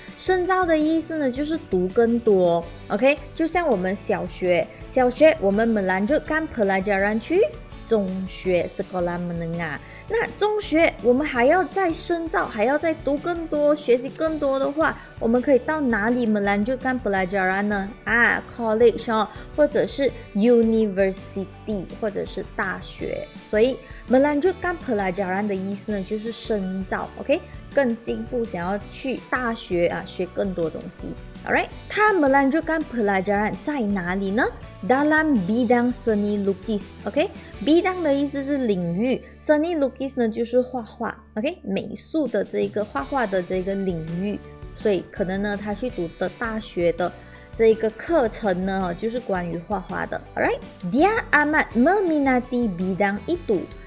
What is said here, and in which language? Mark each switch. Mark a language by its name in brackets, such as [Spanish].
[Chinese] 深造的意思呢就是读更多。OK, 就像我们小学我们 melanjutkan pelajaran 去中学 sekolah menengah, 那中学我们还要再深造，还要再读更多学习更多的话，我们可以到哪里 melanjutkan pelajaran 呢？啊， college 哦，或者是 university 或者是大学。所以 melanjutkan pelajaran 的意思呢就是深造。 OK, 更进步，想要去大学啊学更多东西。 Alright, 他 melanjutkan pelajaran 在哪里呢？ [Malay] Dalam bidang seni lukis. [Chinese] OK, bidang 的意思是领域， seni lukis 呢就是画画。 OK, 美术的这个画画的这个领域，所以可能呢他去读的大学的这个课程呢就是关于画画的。 [Malay] Alright, dia amat meminati bidang itu.